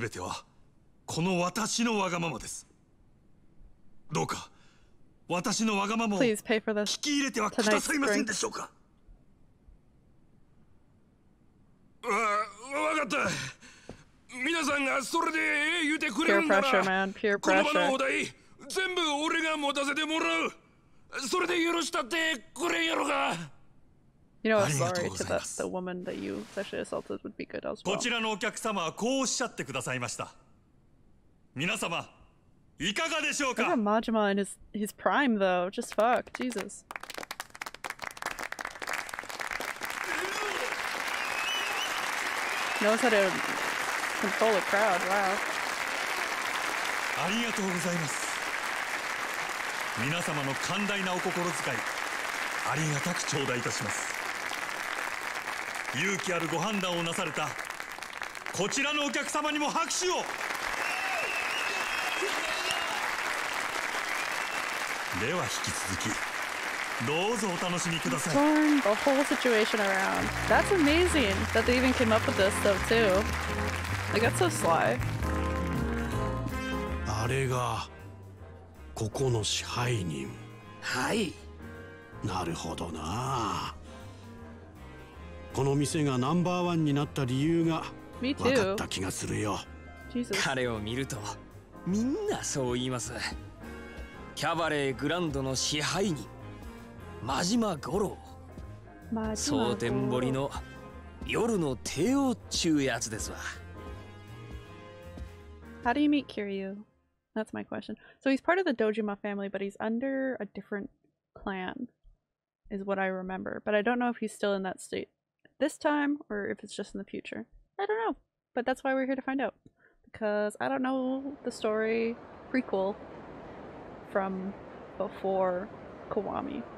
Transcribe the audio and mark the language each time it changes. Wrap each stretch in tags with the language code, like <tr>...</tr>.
<ja>全てはこの私のわがままです。どうか私のわがままを聞き入れてはくださいませんでしょうか。わかった。皆さんがそれで言うてくれるなら、</ja> <en>Peer pressure, man. Peer pressure.</en> <ja>この場のお題全部俺が持たせてもらう。それで許したってくれんやろか。</ja> <en>You know, sorry to the woman that you sexually assaulted would be good as well.</en> <ja>こちらのお客様はこうおっしゃってくださいました。皆様、いかがでしょうか。</ja> <en>Look at Majima in his prime though. Just fuck, Jesus. Knows how to control a crowd. Wow.</en> <ja>ありがとうございます。皆様の寛大なお心遣い、ありがたく頂戴いたします。勇気あるご判断をなされたこちらのお客様にも拍手を。では引き続き、どうぞお楽しみください。</ja> <en>Turn the whole situation around. That's amazing that they even came up with this stuff too. Like that's so sly.</en> <ja>あれがここの支配人。はい。なるほどな。この店がナンバーワンになった理由が分かった気がするよ。彼を見るとみんなそう言います。キャバレーグランドの支配人。マジマゴロウ、蒼天堀の夜の帝王っちゅうやつですわ。</ja> <en>How do you meet Kiryu? That's my question. So he's part of the Dojima family, but he's under a different clan, is what I remember. But I don't know if he's still in that state this time or if it's just in the future. I don't know. But that's why we're here to find out. Because I don't know the story prequel from before Kiwami.</en>